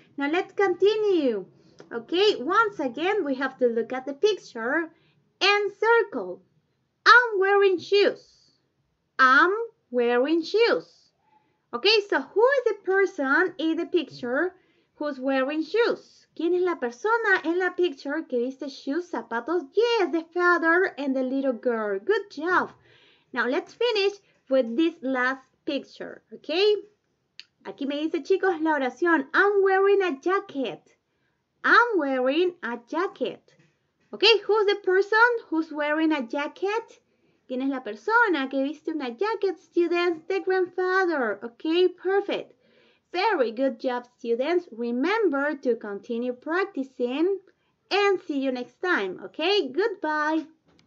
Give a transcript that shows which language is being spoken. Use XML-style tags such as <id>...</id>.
<en>Now, let's continue. Okay, once again, we have to look at the picture and circle. I'm wearing shoes. I'm wearing shoes. Okay, so who is the person in the picture who's wearing shoes?</en> <es>¿Quién es la persona en la picture que viste shoes, zapatos?</es> <en>Yes, the father and the little girl. Good job. Now, let's finish with this last picture, okay?</en> <es>Aquí me dice, chicos, la oración.</es> <en>I'm wearing a jacket. I'm wearing a jacket. Okay, who's the person who's wearing a jacket?</en> <es>¿Quién es la persona que viste una jacket, students?</es> <en>The grandfather. Okay, perfect. Very good job, students. Remember to continue practicing and see you next time. Okay, goodbye.</en>